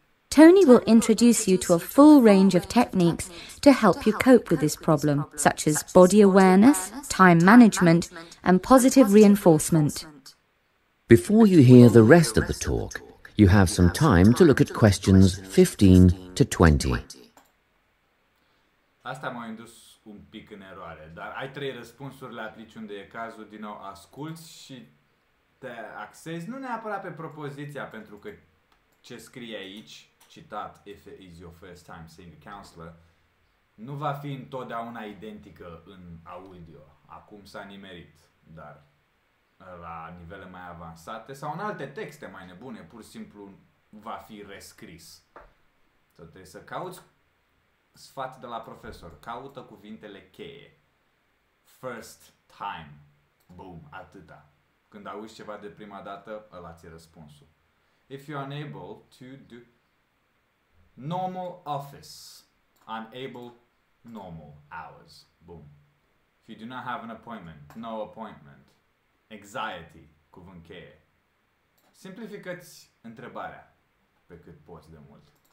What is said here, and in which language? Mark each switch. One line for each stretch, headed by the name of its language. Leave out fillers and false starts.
English: Tony will introduce you to a full range of techniques to help you cope with this problem, such as body awareness, time management, and positive reinforcement. Before you hear the rest of the talk, you have some time to look at questions 15 to 20.
Romanian: Asta m-a indus un pic în eroare, dar ai trei răspunsuri, le aplici unde e cazul, din nou asculți și te axezi, nu neapărat pe propoziția, pentru că ce scrie aici, citat,
English: if it is your first time seeing a counselor,
Romanian: nu va fi întotdeauna identică în audio. Acum s-a nimerit, dar la nivele mai avansate sau în alte texte mai nebune, pur și simplu va fi rescris. Tot trebuie să cauți sfat de la profesor. Caută cuvintele cheie.
English: First time.
Romanian: Boom, atâta. Când auzi ceva de prima dată, ăla ți-e răspunsul.
English: If you are unable to do normal office, unable normal hours. Boom. If you do not have an appointment, no appointment.
Romanian: Anxiety, cuvânt cheie. Simplificați întrebarea pe cât poți de mult.